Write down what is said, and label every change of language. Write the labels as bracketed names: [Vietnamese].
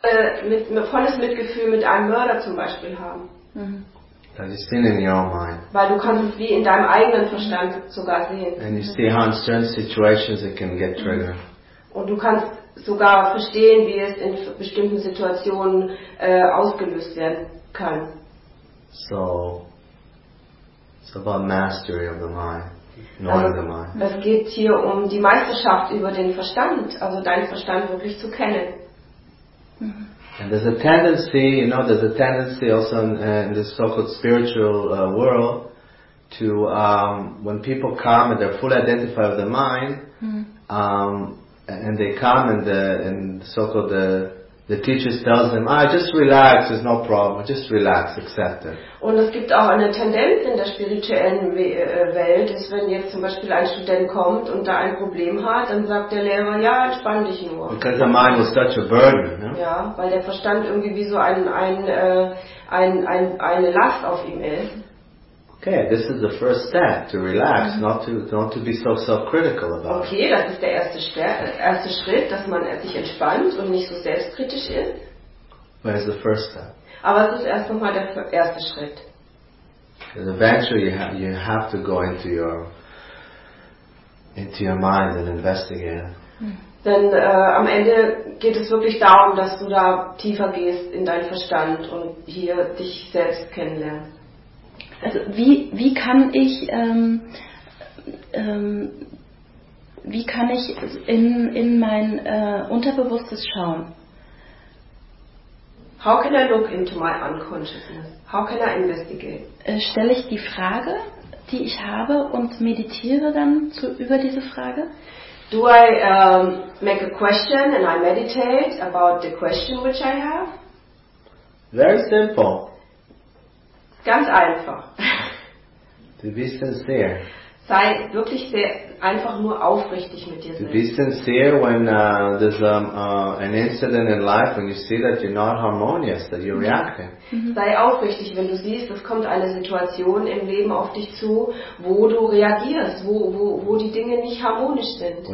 [German] volles Mitgefühl mit einem Mörder zum Beispiel haben. [English] Because it's still in your own mind. [German] Weil du kannst es wie in deinem eigenen Verstand sogar sehen. [English] And you see how in certain situations it can get triggered. [German] Und du kannst sogar verstehen, wie es in bestimmten Situationen ausgelöst werden kann. [English] So, it's about mastery of the mind. Also, [German] es geht hier um die Meisterschaft über den Verstand, also deinen Verstand wirklich zu kennen. [English] And there's a tendency, you know, there's a tendency also in this so-called spiritual world to, when people come and they're fully identified with the mind, and they come and the teacher tells them, ah, just relax, there's no problem, just relax, accept it. [German] Und es gibt auch eine Tendenz in der spirituellen Welt, dass wenn jetzt zum Beispiel ein Student kommt und da ein Problem hat, dann sagt der Lehrer, ja, entspann dich nur. [English] Because the mind was such a burden, you know? [German] Ja, weil der Verstand irgendwie wie so eine Last auf ihm ist. [English] Okay, this is the first step to relax, not to be so self-critical about it. [German] Okay, das ist der erste Schritt, dass man sich entspannt und nicht so selbstkritisch ist. [English] But it's the first step. [German] Aber es ist erst nochmal der erste Schritt. [English] Because eventually you have to go into your mind and investigate. [German] Denn am Ende geht es wirklich darum, dass du da tiefer gehst in deinen Verstand und hier dich selbst kennenlernst. Also wie kann ich in mein Unterbewusstes schauen? [English] How can I look into my unconsciousness? How can I investigate? [German] Stelle ich die Frage, die ich habe, und meditiere dann über diese Frage? [English] Do I make a question and I meditate about the question which I have? Very simple. [German] Ganz einfach. [English] To be sincere. [German] Sei wirklich sehr einfach nur aufrichtig mit dir selbst. [English] To be sincere when there's an incident in life when you see that you're not harmonious, that you're reacting. [German] Sei aufrichtig, wenn du siehst, es kommt eine Situation im Leben auf dich zu, wo du reagierst, wo die Dinge nicht harmonisch sind.